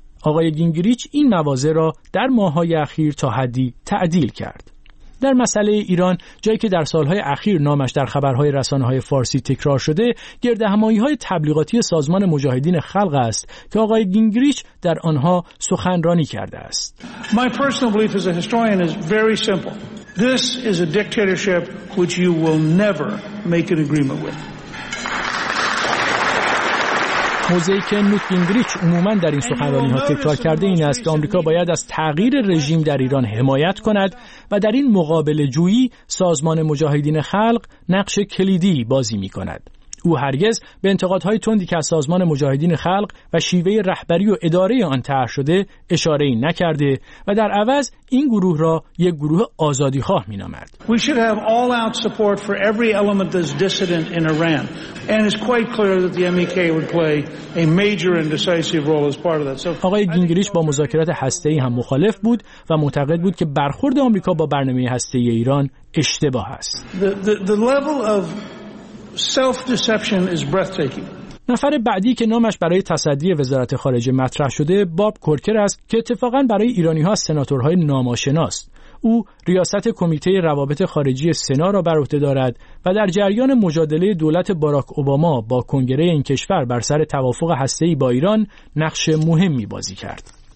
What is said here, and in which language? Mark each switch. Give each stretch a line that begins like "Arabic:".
Persian: آقای گینگریچ این موازی را در ماه‌های اخیر تا حدی تعدیل کرد. در مسئله ایران، جایی که در سالهای اخیر نامش در خبرهای رسانه‌های فارسی تکرار شده، گردهمایی‌های تبلیغاتی سازمان مجاهدین خلق است که آقای گینگریچ در آنها سخنرانی کرده است.
English: My personal belief as a historian is very simple. This is a dictatorship which you will never make an agreement with.
Persian: موضعی که نوت گینگریچ عموماً در این سخنرانی‌ها تکرار کرده این است که آمریکا باید از تغییر رژیم در ایران حمایت کند و در این مقابله‌جویی سازمان مجاهدین خلق نقش کلیدی بازی می‌کند. او هرگز به انتقادهای تندی که از سازمان مجاهدین خلق و شیوه رهبری و اداره آن طرح شده اشاره ای نکرده و در عوض این گروه را یک گروه آزادی خواه می نامد.
English: We should have all out support for every element that's dissident in Iran. And it's quite clear that the MEK would play a major and decisive role as part of that. So
Persian: آقای گینگریش با مذاکرات هسته‌ای هم مخالف بود و معتقد بود که برخورد آمریکا با برنامه هسته‌ای ایران اشتباه است.
English: The level of self-deception is breathtaking.
Persian: نفر بعدی که نامش برای تصدی وزارت خارجه مطرح شده باب کورکر است که اتفاقا برای ایرانی‌ها سناتورهای ناماشناست. او ریاست کمیته روابط خارجی سنا را بر عهده دارد و در جریان مجادله دولت باراک اوباما با کنگره این کشور بر سر توافق هسته‌ای با ایران نقش مهمی بازی کرد.